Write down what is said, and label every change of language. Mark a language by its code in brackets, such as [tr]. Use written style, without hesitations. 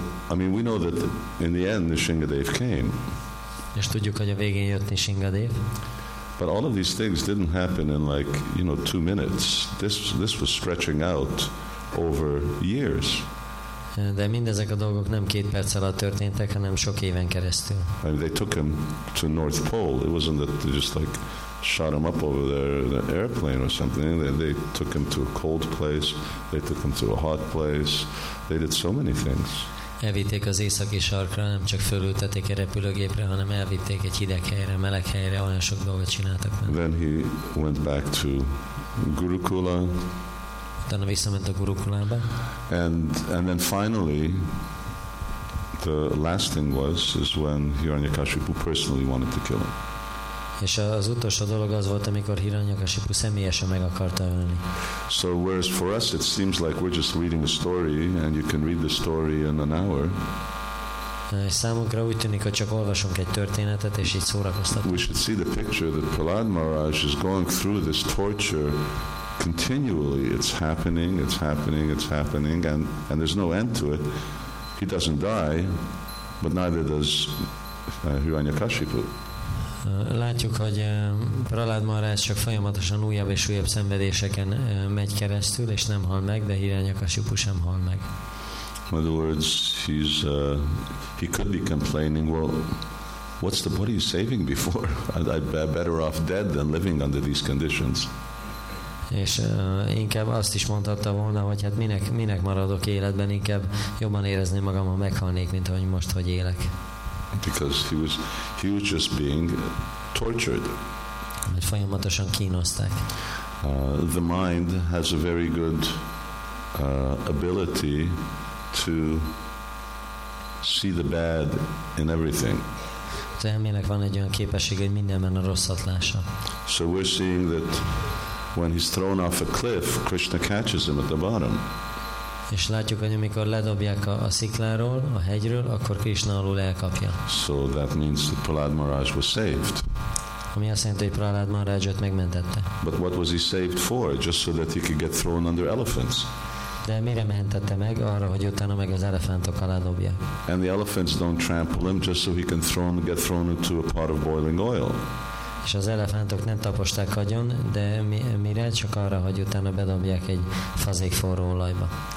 [en] We know that in the end Nrisingadev came. [hu] És tudjuk, hogy a végén jött Nrisingadev. [en] But all of these things didn't happen in like, you know, 2 minutes. This was stretching out over years. [hu] De mindezek a dolgok nem 2 perc alatt történtek, hanem sok éven keresztül. [en] I mean, they took him to North Pole. It wasn't that they just like shot him up over there in an airplane or something. They took him to a cold place. They took him to a hot place. They did so many things. [hu] Elvitték az északi sarkra, nem csak fölültették a repülőgépre, hanem elvitték egy hideg helyre, meleg helyre, olyan sok dolgot csináltak. [en] Then he went back to Gurukula. [hu] Utána visszament a Gurukulába. [en] And then finally, the last thing was, is when Hiranyakasipu personally wanted to kill him. [hu] És az utolsó dolog az volt, amikor Hiranyakasipu személyesen meg akarta ölni. [en] So whereas for us it seems like we're just reading a story and you can read the story in an hour. [hu] Számunkra úgy tűnik, hogy csak olvasunk egy történetet és így szórakoztatunk. [en] We should see the picture that Prahlad Maharaj is going through this torture continually. It's happening, it's happening, it's happening, and there's no end to it. He doesn't die, but neither does Hiranyakasipu. [hu] Látjuk, hogy Prahlad Maharaj csak folyamatosan újabb és újabb szenvedéseken megy keresztül, és nem hal meg, de Hiranyakasipu sem hal meg. [en] In other words, he could be complaining, well, what's the body saving before? I'd be better off dead than living under these conditions. [hu] És inkább azt is mondhatta volna, hogy hát minek maradok életben, inkább jobban érezném magam, ha meghalnék, mint ahogy most, hogy élek. [en] Because he was just being tortured. [hu] Mert folyamatosan kínozták. [en] The mind has a very good ability to see the bad in everything. [hu] Az elmének van egy olyan képesség, hogy mindenben a rosszat lássa. [en] So we're seeing that when he's thrown off a cliff, Krishna catches him at the bottom. [hu] És látjuk, hogy amikor ledobják a szikláról, a hegyről, akkor Krishna alul elkapja. [en] So that means that Prahlad Maharaj was saved. [hu] Ami azt jelenti, hogy Prahlad Maharajot megmentette. [en] But what was he saved for? Just so that he could get thrown under elephants. [hu] De mire mentette meg? Arra, hogy utána meg az elefántok alá dobja. [en] And the elephants don't trample him just so he can get thrown into a pot of boiling oil. [hu] És az elefántok nem taposták agyon, de mire? Csak arra, hogy utána bedobják egy fazék forró olajba.